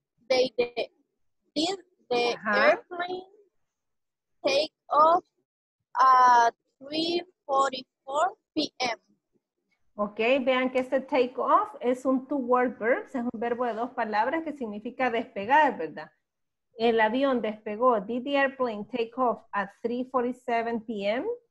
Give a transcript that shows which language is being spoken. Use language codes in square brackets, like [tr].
[en] Did the airplane take off at 3:44 p.m. [es] Ok, vean que este take off es un two-word verb, es un verbo de dos palabras que significa despegar, ¿verdad? El avión despegó. [en] Did the airplane take off at 3:47 p.m.?